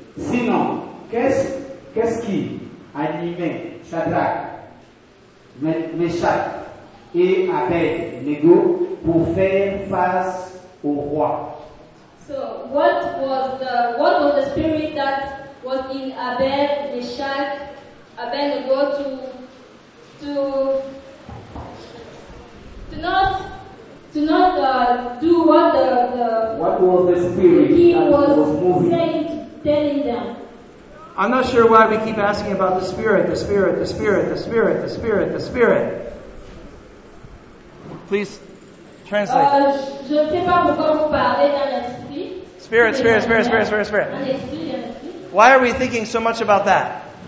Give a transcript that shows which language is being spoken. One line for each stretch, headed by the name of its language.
French: Sinon, qu'est-ce qui animait Shadrach, Meshach et Abednego pour faire face au roi?
English: So, what was the spirit that was in Abed, Meshach, Abednego to not do what the spirit was telling them. I'm not sure why we keep asking about the spirit, the spirit, the spirit, the spirit, the spirit, the spirit. Please translate.
French: Je ne sais pas pourquoi vous parlez d'un esprit.
English: Spirit, spirit, spirit, spirit, spirit, spirit.
French: Un esprit, un esprit.
English: Why are we thinking so much about that?